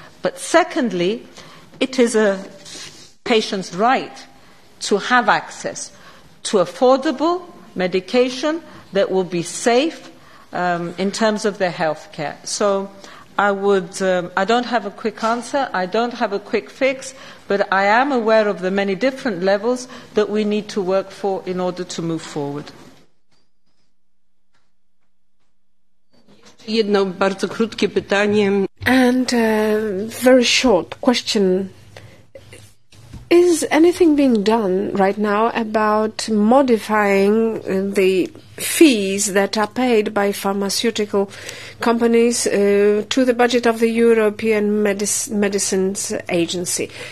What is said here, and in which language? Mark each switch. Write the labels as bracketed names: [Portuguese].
[English] But secondly, it is a patient's right to have access to affordable medication that will be safe in terms of their health care. So I don't have a quick answer, I don't have a quick fix, but I am aware of the many different levels that we need to work for in order to move forward. [Polish] Jedno bardzo krótkie pytanie. [English] And a very short question. Is anything being done right now about modifying the fees that are paid by pharmaceutical companies to the budget of the European Medicines Agency?